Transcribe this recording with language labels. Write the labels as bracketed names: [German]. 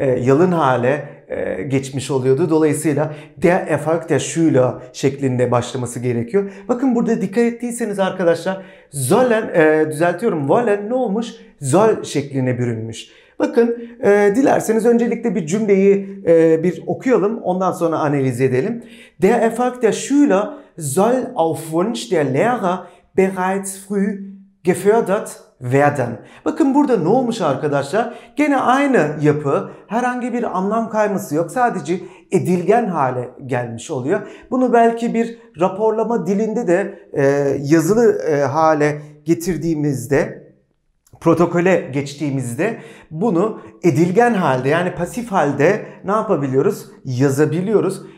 [Turkish] Yalın hale geçmiş oluyordu. Dolayısıyla [German] der Erfolg der Schüler [Turkish] şeklinde başlaması gerekiyor. Bakın burada dikkat ettiyseniz arkadaşlar, sollen, düzeltiyorum, wollen ne olmuş? Soll şekline bürünmüş. Bakın, dilerseniz öncelikle bir cümleyi bir okuyalım, ondan sonra analiz edelim. [German] Der Erfolg der Schüler soll auf Wunsch der Lehrer bereits früh gefördert werden. [Turkish] Bakın burada ne olmuş arkadaşlar? Gene aynı yapı, herhangi bir anlam kayması yok. Sadece edilgen hale gelmiş oluyor. Bunu belki bir raporlama dilinde de yazılı hale getirdiğimizde, protokole geçtiğimizde bunu edilgen halde, yani pasif halde ne yapabiliyoruz? Yazabiliyoruz.